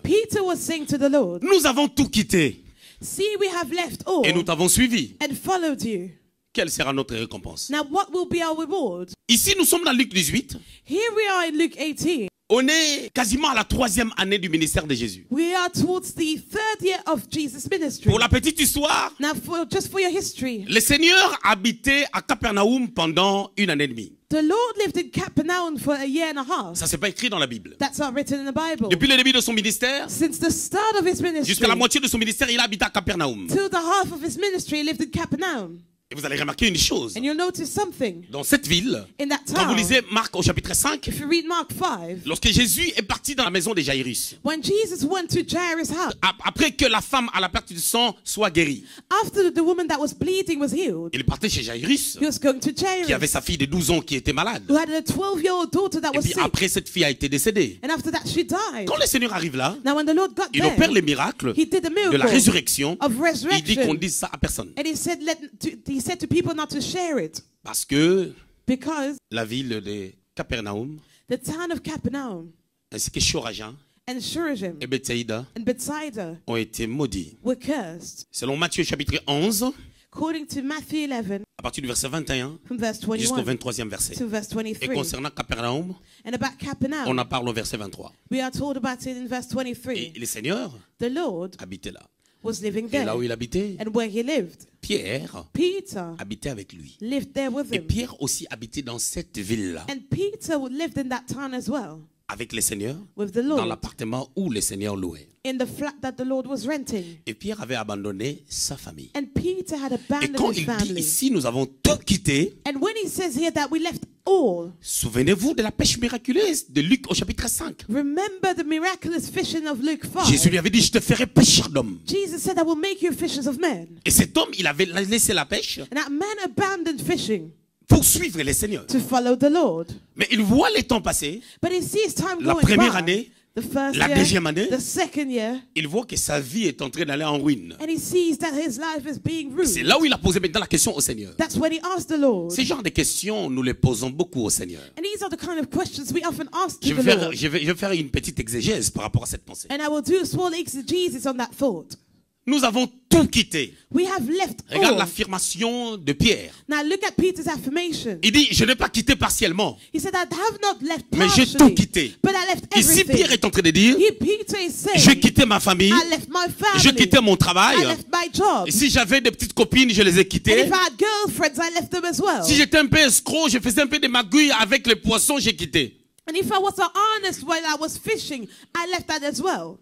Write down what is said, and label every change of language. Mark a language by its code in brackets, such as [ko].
[en] Peter was saying to the Lord, [fr] nous avons tout quitté. [en] See, we have left all [fr] et nous t'avons suivi. [en] And followed you. [fr] Quelle sera notre récompense? [en] Now, what will be our reward? [fr] Ici, nous sommes dans Luc 18. [en] Here we are in Luke 18. [fr] On est quasiment à la troisième année du ministère de Jésus. [en] We are towards the third year of Jesus' ministry. [fr] Pour la petite histoire, [en] now for, just for your history, [fr] le Seigneur habitait à Capernaum pendant une année et demie. [en] The Lord lived in Capernaum for a year and a half. [fr] Ça c'est pas écrit dans la Bible. [en] That's not written in the Bible. [fr] Depuis le début de son ministère, [en] since the start of his ministry, [fr] jusqu'à la moitié de son ministère, il habitait à Capernaum. [en] Till the half of his ministry, he lived in Capernaum. [fr] Et vous allez remarquer une chose. [en] And you'll notice something. [fr] Dans cette ville, [en] in that town, [fr] quand vous lisez Marc au chapitre 5, [en] if you read Mark 5, [fr] lorsque Jésus est parti dans la maison de Jairus, [en] when Jesus went to Jairus' house, [fr] après que la femme à la perte du sang soit guérie, [en] after the woman that was bleeding was healed, [fr] il partait chez Jairus, [en] he was going to Jairus, [fr] qui avait sa fille de 12 ans qui était malade, [en] who had a 12-year-old daughter that [fr] et puis [en] was sick, [fr] après cette fille a été décédée. [en] And after that she died. [fr] Quand le Seigneur arrive là, [en] now when the Lord got [fr] il [en] there, [fr] opère les miracles [en] he did the miracle [fr] de la résurrection, [en] of resurrection, [fr] il dit qu'on ne dise ça à personne. [en] And he said, he said to people not to share it. [fr] Parce que [en] because [fr] la ville de Capernaum, [en] the town of Capernaum, [fr] ainsi que Chorajan, [en] and Chorajan, [fr] et Bethsaida, [en] and Bethsaida, [fr] ont été maudits. [en] Were cursed. [fr] Selon Matthieu chapitre 11, [en] according to Matthew 11, [fr] à partir du verset 21, [en] from verse 21 [fr] jusqu'au 23e verset, [en] to verse 23, [fr] et concernant Capernaum, [en] and about Capernaum, [fr] on en parle au verset 23. [en] We are told about it in verse 23. [fr] Et le Seigneur, [en] the Lord, [fr] habitait là. [en] Was living there. [fr] Et là où il habitait, [en] and where he lived, [fr] Pierre, [en] Peter, [fr] habitait avec lui, [en] lived there with him. [fr] Et Pierre aussi habitait dans cette ville-là, [en] and Peter lived in that town as well, [fr] avec le Seigneur, [en] with the Lord, [fr] dans l'appartement où le Seigneur louait, [en] in the flat that the Lord was renting. [fr] Et Pierre avait abandonné sa famille, [en] and Peter had abandoned [fr] et quand [en] his [fr] il [en] family. [fr] Dit ici, nous avons tout quitté, [en] and when he says here that we left all, [fr] souvenez-vous de la pêche miraculeuse de Luc au chapitre 5. [en] Remember the miraculous fishing of Luke 5. [fr] Jésus lui avait dit, je te ferai pêcheur d'hommes. [en] Jesus said, I will make you fishers of men. [fr] Et cet homme, il avait laissé la pêche. [en] And that man abandoned fishing. [fr] Pour suivre le Seigneur. [en] To follow the Lord. [fr] Mais il voit les temps passer. [en] But he sees time [fr] la [en] going [fr] première [en] by. [fr] Année. [en] The first [fr] la [en] year, [fr] deuxième année, [en] the second year, [fr] il voit que sa vie est en train d'aller en ruine. [en] And he sees that his life is being ruined. [fr] C'est là où il a posé maintenant la question au Seigneur. [en] That's when he asked the Lord. [fr] Ces genres de questions, nous les posons beaucoup au Seigneur. [en] And these are the kind of questions we often ask to [fr] je [en] the [fr] faire, [en] Lord. [fr] Je vais faire une petite exégèse par rapport à cette pensée. [en] And I will do a small exegesis on that thought. [fr] Nous avons tout quitté. [en] We have left all. [fr] Regarde l'affirmation de Pierre. [en] Now look at Peter's affirmation. [fr] Il dit, je n'ai pas quitté partiellement. [en] He said, I have not left partially. [fr] Mais j'ai tout quitté. [en] But I left everything. [fr] Ici, Pierre est en train de dire, j'ai quitté ma famille. [en] I left my family. [fr] J'ai quitté mon travail. [en] I left my job. [fr] Et si j'avais des petites copines, je les ai quittées. [en] And if I had girlfriends, I left them as well. [fr] Si j'étais un peu escroc, je faisais un peu de magouille avec les poissons, j'ai quitté. [en] And if I was so honest while I was fishing, I left that as well.